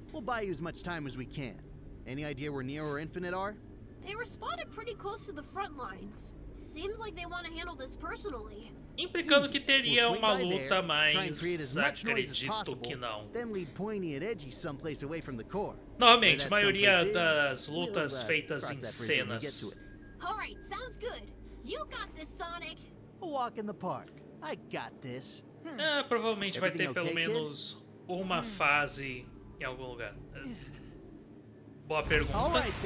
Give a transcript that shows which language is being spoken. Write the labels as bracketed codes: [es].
[en] We'll buy you as much time as we can. Any idea where Neo or Infinite are? They were spotted pretty close to the front lines. Seems like they want to handle this personally. [pt] Implicando que teria uma luta, mas acredito que não. [en] Then lead Pointy and Edgy someplace away from the core. [pt] Normalmente, a maioria das lutas feitas em cenas. [en] All right, sounds good. You got this, Sonic. A walk in the park. I got this. [pt] Provavelmente vai ter pelo menos uma fase em algum lugar. Boa pergunta.